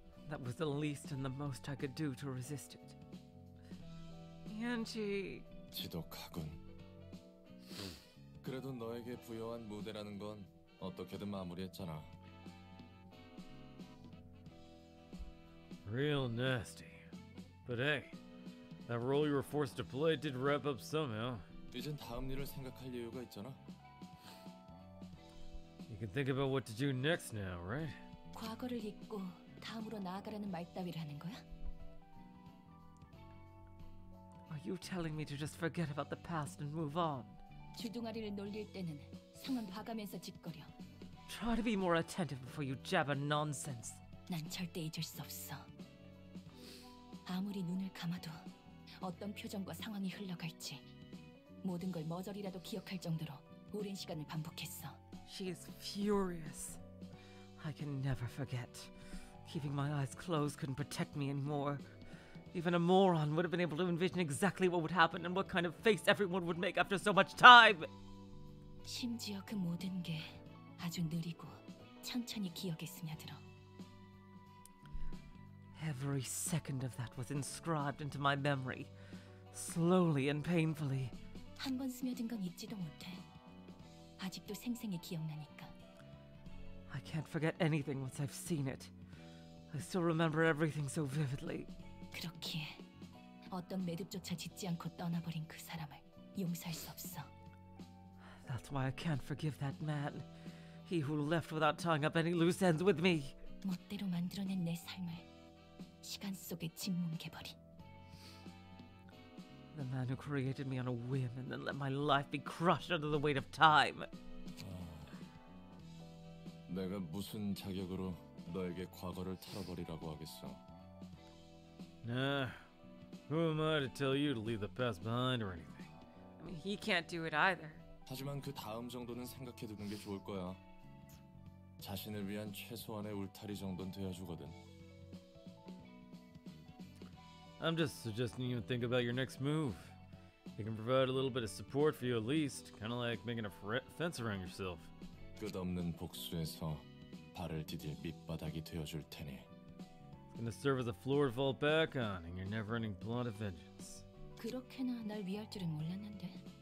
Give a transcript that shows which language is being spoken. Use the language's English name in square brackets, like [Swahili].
[English] That was the least and the most I could do to resist it. Yanji. [Korean] 지독하군. 그래도 너에게 부여한 무대라는 건 어떻게든 마무리했잖아. [English] Real nasty. But hey, that role you were forced to play did wrap up somehow. [Korean] 이젠 다음 일을 생각할 이유가 있잖아. [English] You can think about what to do next now, right? [Korean] 과거를 잊고 다음으로 나아가라는 말 따위라는 거야? [English] Are you telling me to just forget about the past and move on? [Korean] 주둥아리를 놀릴 때는 상황 봐가면서 짓거려. [English] Try to be more attentive before you jabber nonsense. [Korean] 난 절대 잊을 수 없어. 아무리 눈을 감아도 어떤 표정과 상황이 흘러갈지 모든 걸 머저리라도 기억할 정도로 오랜 시간을 반복했어. [English] She is furious. I can never forget. Keeping my eyes closed couldn't protect me anymore. Even a moron would have been able to envision exactly what would happen and what kind of face everyone would make after so much time. [Korean] 심지어 그 모든 게 아주 느리고 천천히 기억에 스며들어. [English] Every second of that was inscribed into my memory, slowly and painfully. [Korean] 한 번 스며든 건 잊지도 못해. 아직도 생생히 기억나니까. [English] I can't forget anything once I've seen it. I still remember everything so vividly. [Korean] 그렇기에 어떤 매듭조차 짓지 않고 떠나버린 그 사람을 용서할 수 없어. [English] That's why I can't forgive that man. He who left without tying up any loose ends with me. [Korean] 멋대로 만들어낸 내 삶을 시간 속에 짓뭉개버린. [English] The man who created me on a whim and then let my life be crushed under the weight of time. [Korean] 내가 무슨 자격으로 너에게 과거를 털어버리라고 하겠어. [English] Nah, who am I to tell you to leave the past behind or anything? I mean, he can't do it either. [Korean] 하지만 그 다음 정도는 생각해 두는 게 좋을 거야. 자신을 위한 최소한의 울타리 정도는 돼야 주거든. [English] I'm just suggesting you think about your next move. It can provide a little bit of support for you at least, kind of like making a fence around yourself. [Korean] 끝없는 복수에서 발을 디딜 밑바닥이 되어줄 테니. [English] And to serve as a floor to fall back on in your never-ending plot of vengeance. [Korean] 그렇게나 날 위할 줄은 몰랐는데.